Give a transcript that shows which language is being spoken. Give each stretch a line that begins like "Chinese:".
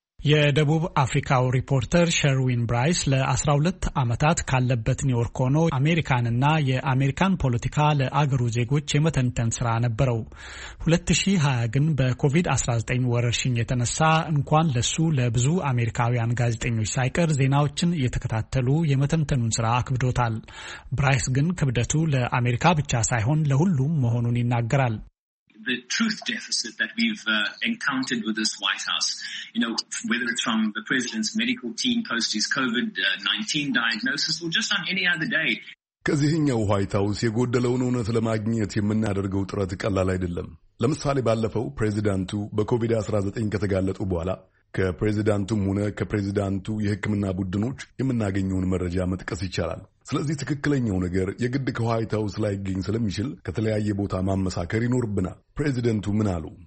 Amharic: የደቡብ አፍሪካው ሪፖርተር ሸርዊን ብራይስ ለ12 ዓመታት ካለበት ኒውዮርክ ሆኖ አሜሪካንና የአሜሪካን ፖለቲካ ለአገሩ ዜጎች የመተንተን ስራ ነበረው። 2020 ግን በኮቪድ-19 ወረርሽኝ የተነሳ እንኳን ለሱ ለብዙ አሜሪካውያን ጋዜጠኞች ሳይቀር ዜናዎችን እየተከታተሉ የመተንተኑን ስራ አክብዶታል። ብራይስ ግን ክብደቱ ለአሜሪካ ብቻ ሳይሆን ለሁሉም መሆኑን ይናገራል።
English: The truth deficit that we've encountered with this White House, you know, whether it's from the president's medical team post his COVID-19 diagnosis or just on any other day.
Amharic: ከዚህኛው ዋይት ሃውስ የጎደለውን እውነት ለማግኘት የምናደርገው ጥረት ቀላል አይደለም። ለምሳሌ ባለፈው ፕሬዚዳንቱ በኮቪድ-19 ከተጋለጡ በኋላ ከፕሬዚዳንቱም ሆነ ከፕሬዚዳንቱ የሕክምና ቡድኖች የምናገኘውን መረጃ መጥቀስ ይቻላል። ስለዚህ ትክክለኛው ነገር የግድ ከዋይት ሃውስ ላይ ይገኝ ስለሚችል ከተለያየ ቦታ ማመሳከር ይኖርብናል። ፕሬዚደንቱ ምን አሉ?